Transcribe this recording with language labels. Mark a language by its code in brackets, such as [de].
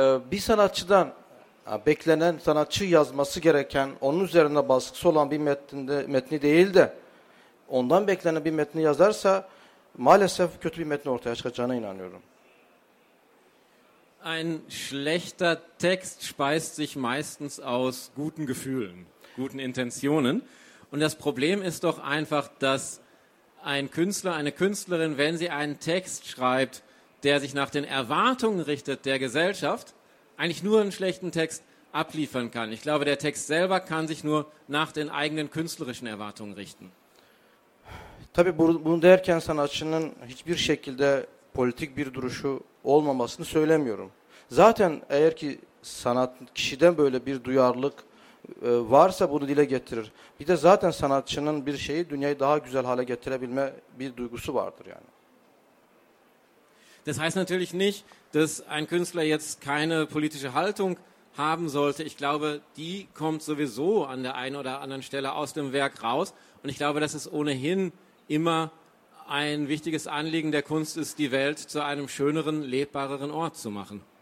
[tr] Bir sanatçıdan beklenen sanatçı yazması gereken, onun üzerinde baskısı olan bir metni değil de ondan beklenen bir metni yazarsa maalesef kötü bir metin ortaya çıkacağına inanıyorum. [de] ein schlechter Text speist sich meistens aus guten Gefühlen, guten Intentionen. Und das Problem ist doch einfach, dass ein Künstler, eine Künstlerin, wenn sie einen Text schreibt, der sich nach den Erwartungen richtet der Gesellschaft, eigentlich nur einen schlechten Text abliefern kann. Ich glaube, der Text selber kann sich nur nach den eigenen künstlerischen Erwartungen richten. [tr] Tabii bunu derken sanatçının hiçbir şekilde politik bir duruşu olmamasını söylemiyorum. Zaten eğer ki sanat kişiden böyle bir duyarlılık varsa bunu dile getirir. Bir de zaten sanatçının bir şeyi dünyayı daha güzel hale getirebilme bir duygusu vardır yani. [de] Das heißt natürlich nicht, dass ein Künstler jetzt keine politische Haltung haben sollte. Ich glaube, die kommt sowieso an der einen oder anderen Stelle aus dem Werk raus. Und ich glaube, dass es ohnehin immer ein wichtiges Anliegen der Kunst ist, die Welt zu einem schöneren, lebbareren Ort zu machen.